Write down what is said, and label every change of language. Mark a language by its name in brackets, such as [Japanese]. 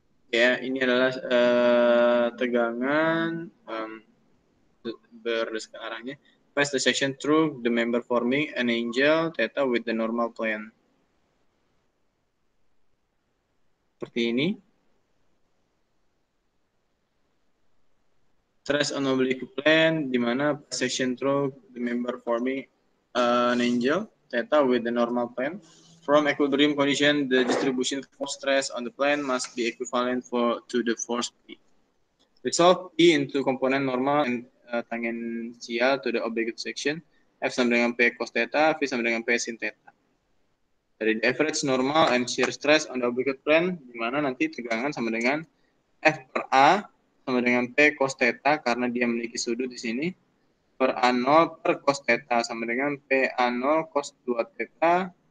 [Indonesian] Ya, ini adalah tegangan berdasarkan arahnya. [English] Pass the section through the member forming an angle theta with the normal plane. [Indonesian] Seperti ini. [English] Stress on oblique plane, [Indonesian] di mana [English] pass section through the member forming an angle theta with the normal plane. From equilibrium condition, the distribution force stress on the plane must be equivalent for to the force P. Resolve P into component normal and tangential to the oblique section. [Indonesian] F sama dengan P cos theta, V sama dengan P sin theta. Dari [English] the average normal and shear stress on the oblique plane, [Indonesian] di mana nanti tegangan sama dengan F per A sama dengan P cos theta, karena dia memiliki sudut di sini, per A0 per cos theta sama dengan P A0 cos 2 theta.